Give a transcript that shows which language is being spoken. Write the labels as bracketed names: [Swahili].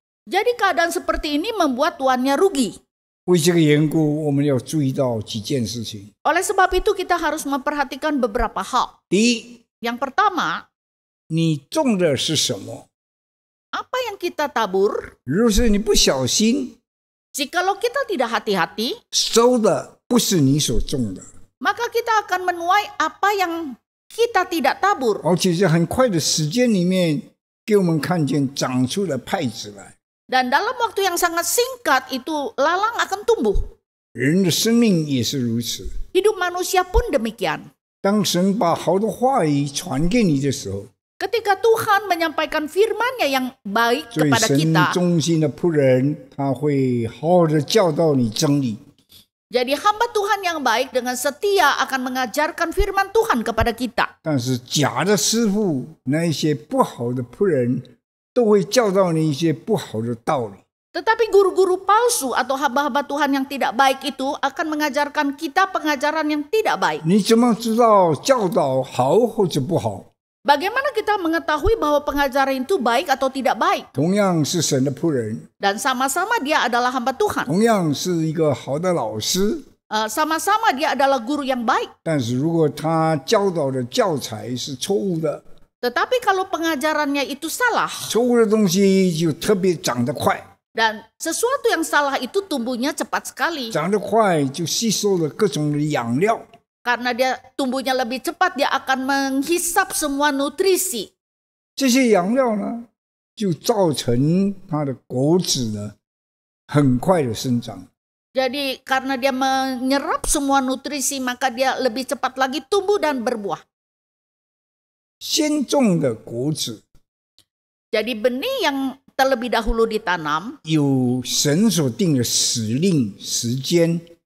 [Indonesian] Jadi keadaan seperti ini membuat tuannya rugi. [Chinese] 为这个缘故，我们要注意到几件事情。 [Indonesian] Oleh sebab itu kita harus memperhatikan beberapa hal. [Chinese] 第一， [Indonesian] yang pertama， [Chinese] 你种的是什么？ [Indonesian] Apa yang kita tabur？ [Chinese] 如果是你不小心， [Indonesian] jikalau kita tidak hati-hati， [Chinese] 收的， 不是你所种的， [Indonesian] maka kita akan menuai apa yang kita tidak tabur. [Chinese] 而且在很快的时间里面给我们看见长出了派子来。 [Indonesian] Dan dalam waktu yang sangat singkat itu lalang akan tumbuh. [Chinese] 人的生命也是如此。 [Indonesian] Hidup manusia pun demikian. [Chinese] 当神把好的话语传给你的时候， [Indonesian] ketika Tuhan menyampaikan firman-Nya yang baik kepada kita， [Chinese] 所以神忠心的仆人， 他会好好地教导你真理。 [Indonesian] Jadi hamba Tuhan yang baik dengan setia akan mengajarkan firman Tuhan kepada kita. [Chinese] 但是假的师父， 那一些不好的仆人， 都会教导你一些不好的道理。 [Indonesian] Tetapi guru-guru palsu atau hamba-hamba Tuhan yang tidak baik itu akan mengajarkan kita pengajaran yang tidak baik. [Chinese] 你怎么知道教导好或者不好？ [Indonesian] Bagaimana kita mengetahui bahwa pengajaran itu baik atau tidak baik? [Chinese] 同样是神的仆人， [Indonesian] dan sama-sama dia adalah hamba Tuhan. [Chinese] 同样是一个好的老师， [Indonesian] sama-sama dia adalah guru yang baik. [Chinese] 但是如果他教导的教材是错误的， [Indonesian] tetapi kalau pengajarannya itu salah， [Chinese] 错误的东西就特别长得快， [Indonesian] dan sesuatu yang salah itu tumbuhnya cepat sekali. [Chinese] 长得快就吸收了各种的养料， [Indonesian] karena dia tumbuhnya lebih cepat, dia akan menghisap semua nutrisi. [Chinese] 这些养料呢, 就造成它的果子呢, 很快的生长。 [Indonesian] Jadi karena dia menyerap semua nutrisi, maka dia lebih cepat lagi tumbuh dan berbuah. [Chinese] 先种的果子, [Indonesian] jadi benih yang terlebih dahulu ditanam, [Chinese] 有神所定的时令, 时间,